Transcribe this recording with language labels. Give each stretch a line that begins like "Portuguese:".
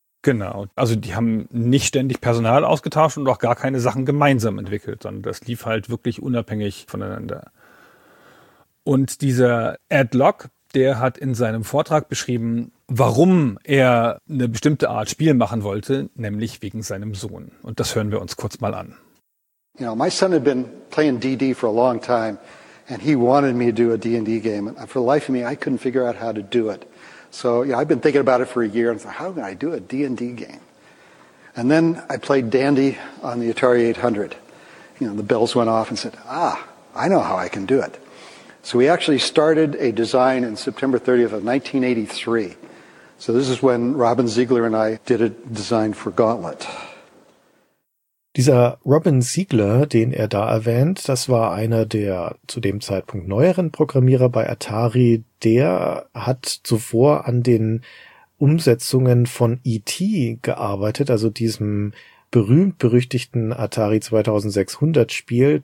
German: Genau, also die haben nicht ständig Personal ausgetauscht und auch gar keine Sachen gemeinsam entwickelt, sondern das lief halt wirklich unabhängig voneinander. Und dieser Ed Locke, der hat in seinem Vortrag beschrieben, warum er eine bestimmte Art Spiel machen wollte, nämlich wegen seinem Sohn. Und das hören wir uns kurz mal an.
English: You know, my son had been playing DD for a long time. And he wanted me to do a D&D game. And for the life of me, I couldn't figure out how to do it. So, yeah, I've been thinking about it for a year. And I thought, how can I do a D&D game? And then I played Dandy on the Atari 800. You know, the bells went off and said, ah, I know how I can do it. So we actually started a design in September 30th of 1983. So this is when Robin Ziegler and I did a design for Gauntlet.
German: Dieser Robin Ziegler, den er da erwähnt, das war einer der zu dem Zeitpunkt neueren Programmierer bei Atari. Der hat zuvor an den Umsetzungen von E.T. gearbeitet, also diesem berühmt-berüchtigten Atari 2600 Spiel.